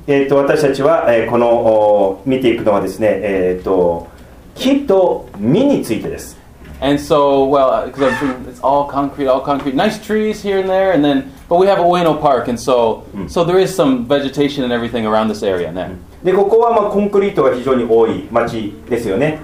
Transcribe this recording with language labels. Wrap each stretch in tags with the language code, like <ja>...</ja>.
<ja>私たちは、この見ていくのはですね、木と実についてです。</ja> <en>And so, well, because it's all concrete. Nice trees here and there, and then, but we have a Ueno Park, and so,、うん、so there is some vegetation and everything around this area.</en> <ja>ね。で、ここはまあコンクリートが非常に多い町ですよね。</ja>